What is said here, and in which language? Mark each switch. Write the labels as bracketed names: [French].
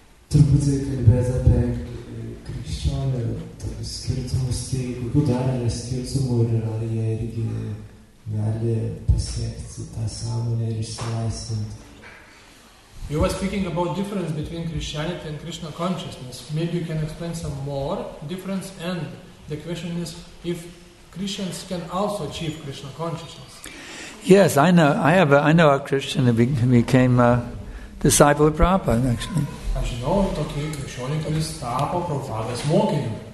[Lithuanian] Truputį kalbės apie krikščionių skirtumus, tai kokių dar yra skirtumų ir ar jie irgi gali pasiekti tą sąmonę ir išsilaisvinti. [English] You were speaking about difference between Christianity and Krishna consciousness. Maybe you can explain some more difference, and the question is if Christians can also achieve Krishna consciousness. Yes, I know. I know a Christian who became a disciple of Prabhupada, actually. [Lithuanian] Aš žinau tokį krikščionį, kuris tapo Prabhupada's mokiniu.